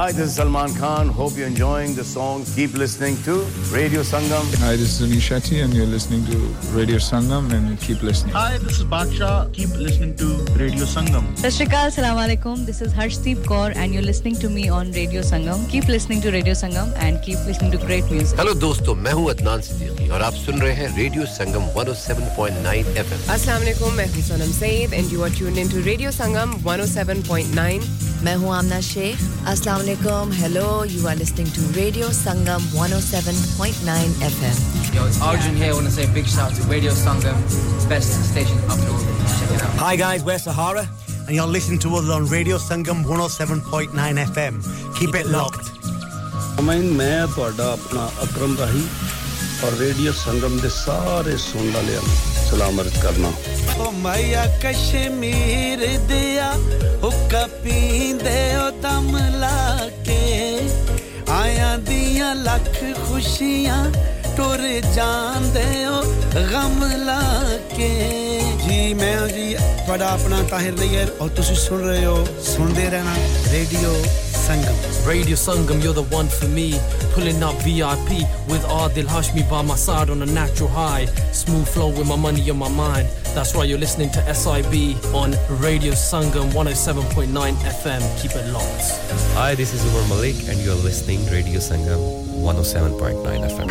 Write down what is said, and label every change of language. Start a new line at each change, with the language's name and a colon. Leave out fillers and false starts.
English: hi this is Salman Khan hope you're enjoying the songs keep listening to Radio Sangam hi this is Anish Shetty and you're listening to Radio Sangam and keep listening hi this is Baksha keep listening to Radio Sangam Sat Sri Akal Assalamu Alaikum this is Harshdeep Kaur and you're listening to me on Radio Sangam keep listening to Radio Sangam and keep listening to great music
Hindi: hello dosto तो मैं हूं अदनान सिद्दीकी और आप सुन रहे हैं radio संगम 107.9 FM
English: अस्सलाम वालेकुम
Hindi: मैं हूं
English: Sonam Saeed and you are tuned into radio Sangam 107.9
Hindi: मैं हूं
English: आमना शेख अस्सलाम वालेकुम hello you are listening to radio Sangam 107.9 FM yo it's Arjun here I want to say big shout to radio Sangam best station up north hi guys we're Sahara and you are listening to us on radio Sangam 107.9 FM keep it locked
Punjabi: मैं ਤੁਹਾਡਾ ਆਪਣਾ ਅਕਰਮ ਰਹੀ ਔਰ radio ਸੰਗਮ ਦੇ ਸਾਰੇ ਸੁਣਨ ਵਾਲਿਆਂ ਨੂੰ ਸਲਾਮ ਅਰਜ਼ ਕਰਨਾ ਓ ਮਾਇਆ ਕਸ਼ਮੀਰ ਦਿਆ ਹੁੱਕਾ ਪੀਂਦੇ ਓ ਦਮ ਲਾ ਕੇ ਆਇਆਂ ਦੀਆਂ ਲੱਖ ਖੁਸ਼ੀਆਂ ਟੁਰ ਜਾਂਦੇ ਓ ਗਮ ਲਾ ਕੇ ਜੀ ਮੈਂ ਜੀ ਤੁਹਾਡਾ ਆਪਣਾ ਤਾਹਿਰ ਲਈਏ ਔਰ ਤੁਸੀਂ ਸੁਣ ਰਹੇ ਹੋ ਸੁਣਦੇ ਰਹਿਣਾ radio Sangam
English: Radio Sangam, you're the one for me. Pulling up VIP with Adil Hashmi by my side on a natural high. Smooth flow with my money on my mind. That's why you're listening to SIB on Radio Sangam 107.9 FM. Keep it locked. Hi, this is Umar Malik and you're listening to Radio Sangam 107.9 FM.